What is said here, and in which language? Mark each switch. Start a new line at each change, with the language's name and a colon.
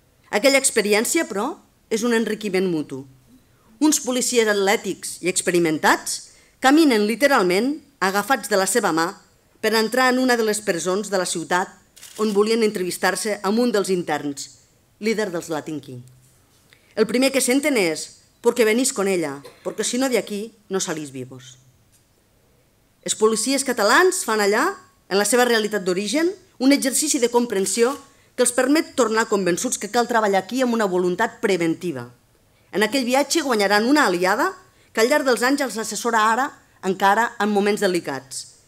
Catalan: Aquella experiència, però, és un enriquiment mutu. Uns policies atlètics i experimentats caminen literalment, agafats de la seva mà, per entrar en una de les presons de la ciutat on volien entrevistar-se amb un dels interns, líder dels Latin King. El primer que senten és
Spanish: «porque venís con ella, porque si no de aquí no salís vivos».
Catalan: Els policies catalans fan allà, en la seva realitat d'origen, un exercici de comprensió que els permet tornar convençuts que cal treballar aquí amb una voluntat preventiva. En aquell viatge guanyaran una aliada que al llarg dels anys els assessora ara, encara, en moments delicats.